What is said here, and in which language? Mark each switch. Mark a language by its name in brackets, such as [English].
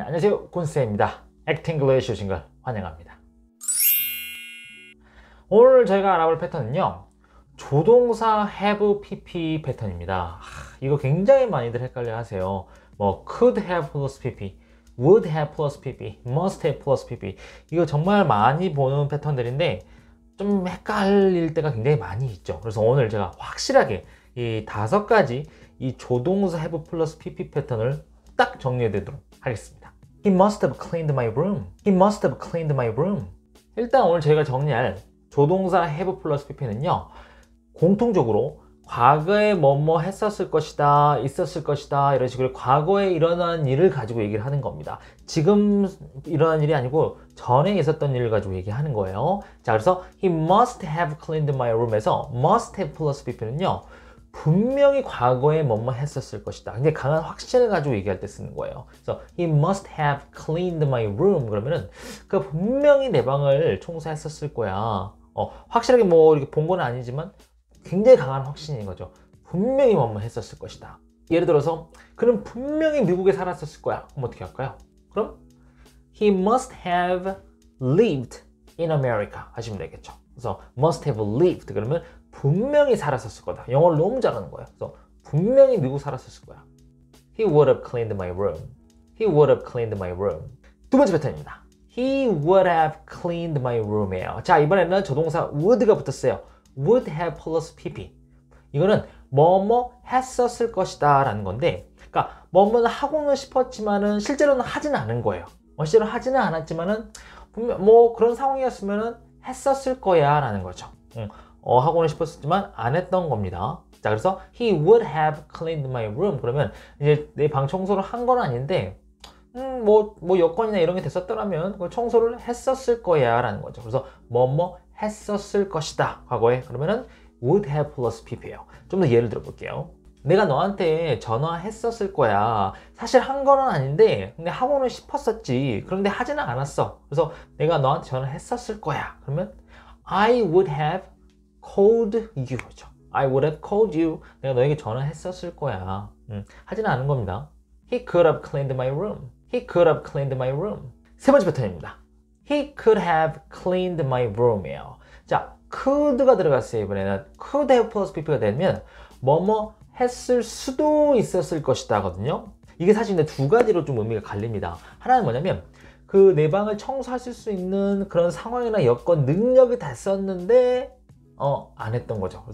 [Korean] 안녕하세요, 곤쌤입니다. Act English 오신 걸 환영합니다. 오늘 저희가 알아볼 패턴은요, 조동사 have PP 패턴입니다. 이거 굉장히 많이들 헷갈려 하세요. [English] 뭐 could have plus PP, would have plus PP, must have plus PP. [Korean] 이거 정말 많이 보는 패턴들인데 좀 헷갈릴 때가 굉장히 많이 있죠. 그래서 오늘 제가 확실하게 이 다섯 가지 이 조동사 have plus PP 패턴을 딱 정리해드리도록 하겠습니다. [English] He must have cleaned my room. He must have cleaned my room. [Korean] 일단 오늘 저희가 정리할 조동사 have plus PP는요, 공통적으로 과거에 뭐뭐 했었을 것이다, 있었을 것이다, 이런 식으로 과거에 일어난 일을 가지고 얘기를 하는 겁니다. 지금 일어난 일이 아니고 전에 있었던 일을 가지고 얘기하는 거예요. [English] 자, 그래서 He must have cleaned my room에서 must have plus PP는요, [Korean] 분명히 과거에 뭐뭐 했었을 것이다. 근데 강한 확신을 가지고 얘기할 때 쓰는 거예요. [English] 그래서 he must have cleaned my room. [Korean] 그러면은 그 분명히 내 방을 청소했었을 거야. 확실하게 뭐 이렇게 본건 아니지만 굉장히 강한 확신인 거죠. 분명히 뭐뭐 했었을 것이다. 예를 들어서 그는 분명히 미국에 살았었을 거야. 그럼 어떻게 할까요? [English] 그럼 he must have lived in America [Korean] 하시면 되겠죠. 그래서 [English] must have lived [Korean] 그러면 분명히 살았었을 거다. 영어를 너무 잘하는 거야. 그래서 분명히 미국 살았었을 거야. [English] He would have cleaned my room. He would have cleaned my room. [Korean] 두 번째 패턴입니다. [English] He would have cleaned my room이에요. [Korean] 자, 이번에는 조동사 would가 붙었어요. [English] Would have plus PP. [Korean] 이거는 뭐뭐 했었을 것이다 라는 건데, 그러니까 뭐뭐는 하고는 싶었지만은 실제로는 하진 않은 거예요. 실제로 하지는 않았지만은 분명 뭐 그런 상황이었으면은 했었을 거야 라는 거죠. 하고는 싶었지만 안 했던 겁니다. [English] 자, 그래서 he would have cleaned my room. [Korean] 그러면 이제 내방 청소를 한건 아닌데, 뭐 여권이나 이런 게 됐었더라면 그 청소를 했었을 거야라는 거죠. 그래서 뭐뭐 했었을 것이다. 과거에. [English] 그러면은 would have plus PP예요. [Korean] 좀더 예를 들어 볼게요. 내가 너한테 전화했었을 거야. 사실 한 거는 아닌데, 근데 하고는 싶었었지. 그런데 하지는 않았어. 그래서 내가 너한테 전화했었을 거야. [English] 그러면 I would have called you죠. I would have called you. [Korean] 내가 너에게 전화했었을 거야. 하진 않은 겁니다. [English] He could have cleaned my room. He could have cleaned my room. [Korean] 세 번째 패턴입니다. [English] He could have cleaned my room이에요. [Korean] 자, could가 들어갔어요. 이번에는 could have plus PP가 되면 뭐뭐 했을 수도 있었을 것이다거든요. 이게 사실 근데 두 가지로 좀 의미가 갈립니다. 하나는 뭐냐면 그내 방을 청소하실 수 있는 그런 상황이나 여건 능력이 됐었는데 안 했던 거죠.